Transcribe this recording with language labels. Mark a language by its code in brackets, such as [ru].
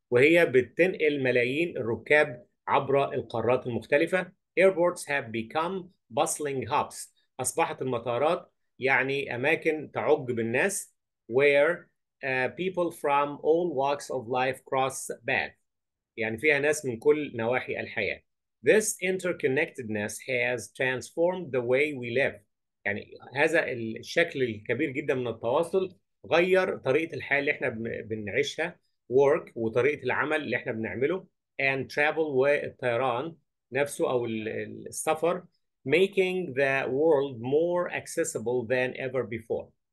[ar] وهي بتنقل ملايين الركاب عبر القارات المختلفة. [en] Airports have become bustling hubs. [ar] أصبحت المطارات يعني أماكن تعج بالناس [en] where people from all walks of life cross paths. [ar] يعني فيها ناس من كل نواحي الحياة. [en] This interconnectedness has transformed the way we live. [ar] يعني هذا الشكل الكبير جدا من التواصل غير طريقة الحياة اللي احنا بنعيشها، work وطريقة العمل اللي احنا بنعمله، [en] and travel [ar] والطيران نفسه أو السفر، [en] making the world more accessible than ever before.